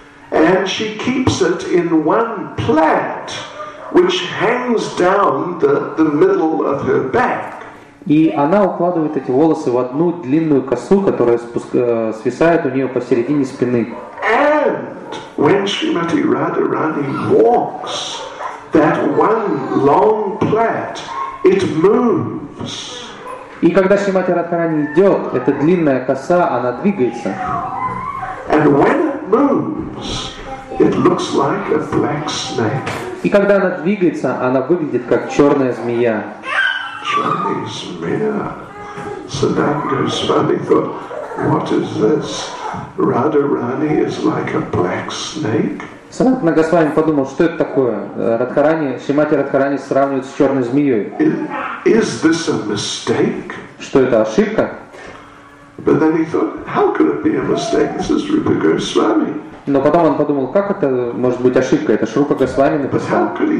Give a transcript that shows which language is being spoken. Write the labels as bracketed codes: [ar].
[en] And she keeps it in one plait, which hangs down the middle of her back. [ru] И она укладывает эти волосы в одну длинную косу, которая свисает у нее посередине спины. [en] When Srimati Radharani walks, that one long plait, it moves. [ru] И когда Шримати Радхарани идет, эта длинная коса, она двигается. [en] And when it moves, it looks like a black snake. [ru] И когда она двигается, она выглядит как черная змея. Черная змея. [en] Сананда Свами thought, what is this? Радхарани is like a black snake. [ru] Сананда Госвами подумал, что это такое? Радхарани, Шримати Радхарани сравнивает с черной змеей. [en] Is this a mistake? [ru] Что это ошибка? [en] But then he thought, how could it be a mistake? This is Rupa Goswami. [ru] Но потом он подумал, как это может быть ошибка? Это Шрупа Госвами написал.